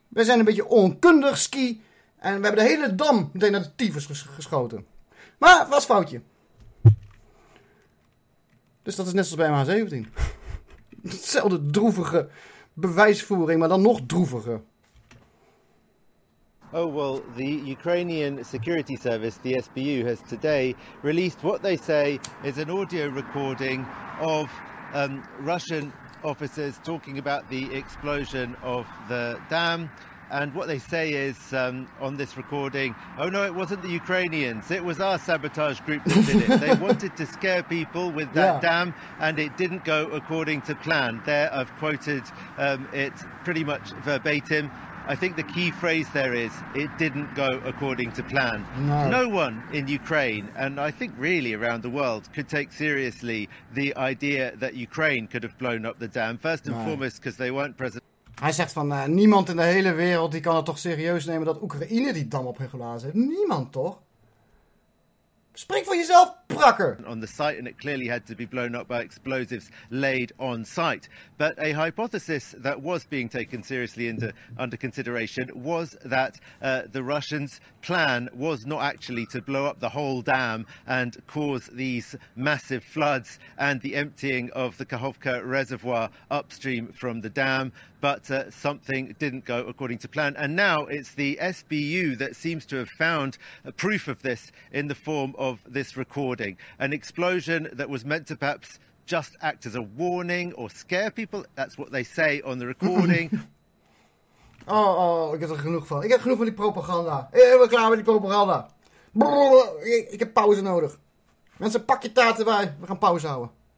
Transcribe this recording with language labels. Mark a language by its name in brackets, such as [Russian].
[Dutch] We zijn een beetje onkundig, ski. En we hebben de hele dam meteen naar de tyfus geschoten. Maar het was foutje. Dus dat is net zoals bij MH17. Hetzelfde droevige bewijsvoering, maar dan nog droeviger. [English] Oh, well, the Ukrainian Security Service, the SBU, has today released what they say is an audio recording of Russian officers talking about the explosion of the dam. And what they say is on this recording, oh no, it wasn't the Ukrainians, it was our sabotage group that did it. They wanted to scare people with that dam, and it didn't go according to plan. There, I've quoted it pretty much verbatim. I think the key phrase there is, it didn't go according to plan. No. No one in Ukraine, and I think really around the world, could take seriously the idea that Ukraine could have blown up the dam. First and foremost, because they weren't present. [Dutch] Hij zegt van, niemand in de hele wereld die kan het toch serieus nemen dat Oekraïne die dam op hun glazen heeft. Niemand toch? Spreek voor jezelf, prakker! [English] On the site, and it clearly had to be blown up by explosives laid on site. But a hypothesis that was being taken seriously under consideration was that the Russians' plan was not actually to blow up the whole dam and cause these massive floods and the emptying of the Kakhovka reservoir upstream from the dam, but something didn't go according to plan. And now it's the SBU that seems to have found proof of this in the form of this recording. An explosion that was meant to perhaps just act as a warning or scare people. That's what they say on the recording. [Dutch] Oh, ik heb er genoeg van. Ik heb genoeg van die propaganda. Ik ben klaar met die propaganda. Ik heb pauze nodig. Mensen, pak je taart erbij. We gaan pauze houden.